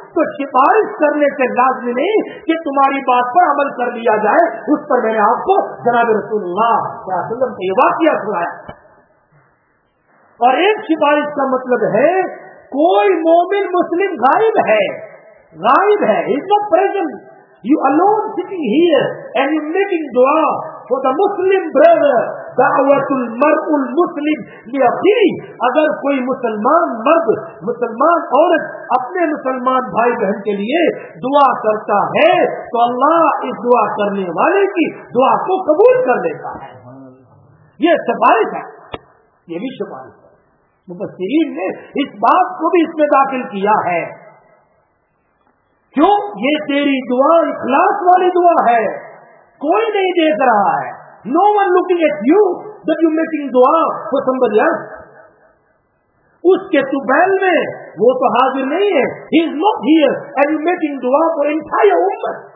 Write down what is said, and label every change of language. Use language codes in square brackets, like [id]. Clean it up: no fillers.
[ur] تو سفارش کرنے سے لازمی نہیں کہ تمہاری بات پر عمل کر لیا جائے. اس پر میں نے آپ کو جناب رسول اللہ صلی اللہ علیہ وسلم سے یہ واقعہ سنایا. اور ایک سفارش کا مطلب ہے کوئی مومن مسلم غائب ہے, غائب ہے. [en] He's not present. You alone sitting here and you're making dua for the Muslim brother. [ar] دعوت المرء المسلم لأخيه. [ur] اگر کوئی مسلمان مرد, مسلمان عورت اپنے مسلمان بھائی بہن کے لیے دعا کرتا ہے تو اللہ اس دعا کرنے والے کی دعا کو قبول کر لیتا ہے. یہ سفارش ہے, یہ بھی سفارش ہے. مفسرین نے اس بات کو بھی اس میں داخل کیا ہے. کیوں؟ یہ تیری دعا اخلاص والی دعا ہے, کوئی نہیں دیکھ رہا ہے. [en] No one looking at you that you making dua for somebody else. [ur] اس کے تبیل میں وہ تو حاضر نہیں ہے. [en] He is not here and you making dua for entire ummah.